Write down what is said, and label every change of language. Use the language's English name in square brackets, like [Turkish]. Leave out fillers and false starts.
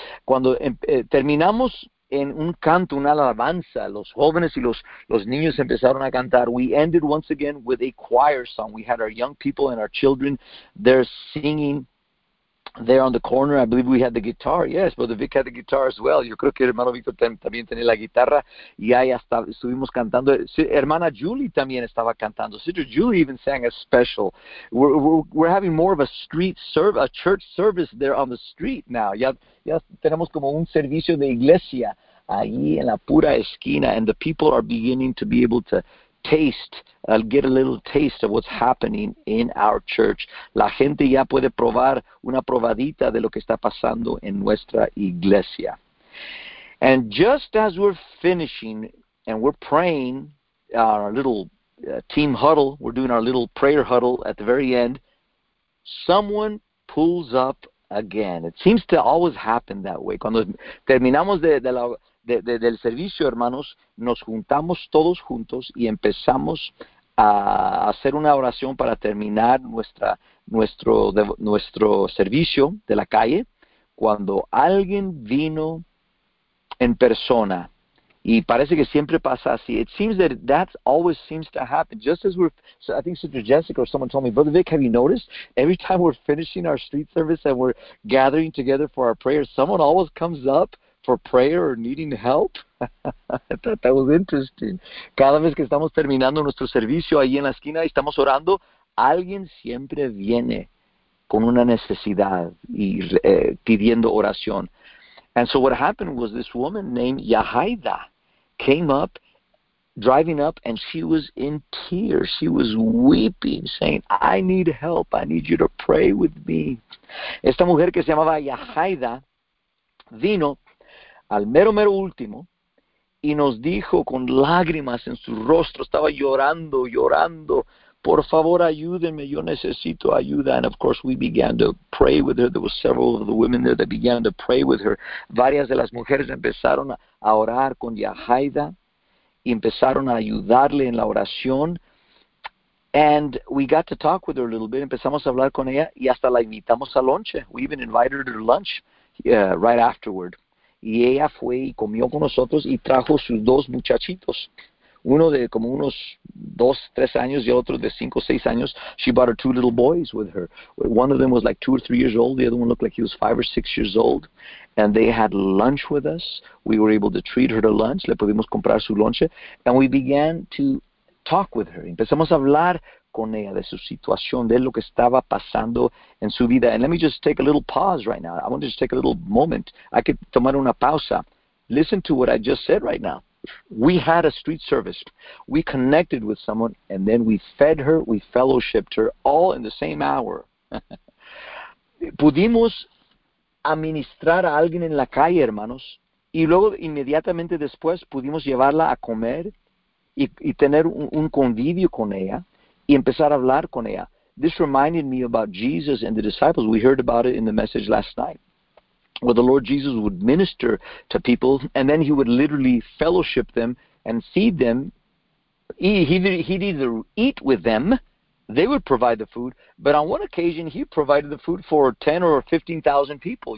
[Spanish] Cuando terminamos en un canto, una alabanza, los jóvenes y los niños empezaron a cantar. [English] We ended once again with a choir song. We had our young people and our children there singing there on the corner. I believe we had the guitar. Yes, Brother Vic had the guitar as well. [Spanish] Yo creo que el hermano Victor también tenía la guitarra. Y ahí hasta estuvimos cantando. Hermana Julie también estaba cantando. [English] Sister Julie even sang a special. We're having more of a church service there on the street now. [Spanish] Ya tenemos como un servicio de iglesia ahí en la pura esquina. [English] And the people are beginning to be able to get a little taste of what's happening in our church. [Spanish] La gente ya puede probar una probadita de lo que está pasando en nuestra iglesia. [English] And just as we're finishing and we're praying our little team huddle, we're doing our little prayer huddle at the very end, someone pulls up again. It seems to always happen that way. [Spanish] Cuando terminamos del servicio, hermanos, nos juntamos todos juntos y empezamos a hacer una oración para terminar nuestro servicio de la calle, cuando alguien vino en persona. Y parece que siempre pasa así. [English] It seems that always seems to happen. Just as I think Sister Jessica or someone told me, Brother Vic, have you noticed? Every time we're finishing our street service and we're gathering together for our prayers, someone always comes up for prayer or needing help. I thought that was interesting. [Spanish] Cada vez que estamos terminando nuestro servicio ahí en la esquina y estamos orando, alguien siempre viene con una necesidad y pidiendo oración. [English] And so what happened was this woman named Yahaida came up, driving up, and she was in tears. She was weeping, saying, I need help. I need you to pray with me. [Spanish] Esta mujer que se llamaba Yahaida vino al mero, mero último, y nos dijo con lágrimas en su rostro, estaba llorando, llorando, por favor, ayúdenme, yo necesito ayuda. [English] And of course, we began to pray with her. There were several of the women there that began to pray with her. [Spanish] Varias de las mujeres empezaron a orar con Yahaida, y empezaron a ayudarle en la oración. [English] And we got to talk with her a little bit, [Spanish] empezamos a hablar con ella, y hasta la invitamos a [English] lunch. We even invited her to lunch right afterward. [Spanish] Y ella fue y comió con nosotros y trajo sus dos muchachitos. Uno de como unos 2-3 años y otro de 5-6 años. [English] She brought her two little boys with her. One of them was like 2 or 3 years old. The other one looked like he was 5 or 6 years old. And they had lunch with us. We were able to treat her to lunch. [Spanish] Le pudimos comprar su lunch. [English] And we began to talk with her. [Spanish] Empezamos a hablar con ella de su situación, de lo que estaba pasando en su vida. [English] And let me just take a little pause right now. I want to just take a little moment. I could [Spanish] tomar una pausa [English] Listen to what I just said right now. We had a street service. We connected with someone, and then we fed her, we fellowshipped her, all in the same hour. [Spanish] Pudimos administrar a alguien en la calle, hermanos, y luego inmediatamente después pudimos llevarla a comer y tener un convivio con ella y empezar a hablar con ella. [English] This reminded me about Jesus and the disciples. We heard about it in the message last night, where the Lord Jesus would minister to people, and then he would literally fellowship them and feed them. He'd either eat with them, they would provide the food, but on one occasion he provided the food for 10 or 15,000 people.